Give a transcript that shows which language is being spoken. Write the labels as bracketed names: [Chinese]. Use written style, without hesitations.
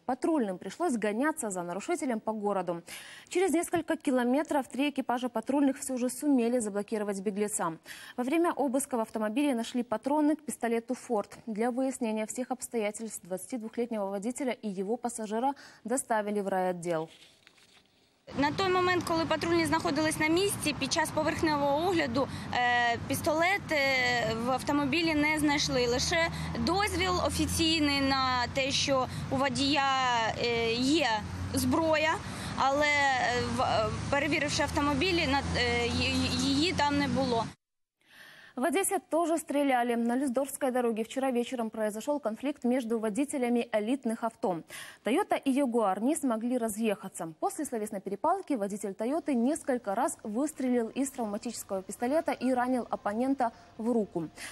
[Russian] Патрульным пришлось гоняться за нарушителем по городу. Через несколько километров 3 экипажа патрульных все же сумели заблокировать беглеца. Во время обыска в автомобиле нашли патроны к пистолету «Форд». Для выяснения всех обстоятельств 22-летнего водителя и его пассажира доставили в район. Отдел. [Ukrainian] На той момент, коли патрульні знаходились на місці, під час поверхневого огляду пістолет в автомобілі не знайшли. Лише дозвіл офіційний на те, що у водія є зброя, але перевіривши автомобілі, її там не було. [Russian] В Одессе тоже стреляли. На Люздорфской дороге вчера вечером произошел конфликт между водителями элитных авто. «Тойота» и «Ягуар» не смогли разъехаться. После словесной перепалки водитель «Тойоты» несколько раз выстрелил из травматического пистолета и ранил оппонента в руку.